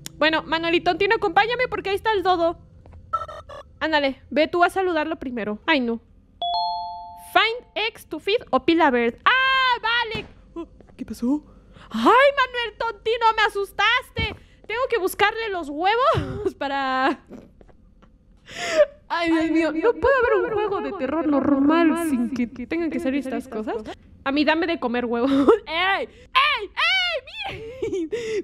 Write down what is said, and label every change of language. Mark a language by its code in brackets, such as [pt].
[es] Bueno, Manuelito Tontino, acompáñame porque ahí está el dodo. Ándale, ve tú a saludarlo primero. Ay, no. [en] Find eggs to feed Opilabird. [es] ¡Ah, vale! ¿Qué pasó? ¡Ay, Manuel Tontino, me asustaste! Tengo que buscarle los huevos para... Ay, Dios mío, no puede haber un juego de terror normal sin que tengan que salir estas cosas. A mí, dame de comer huevo. ¡Ey! ¡Ey! ¡Ey! ¡Miren!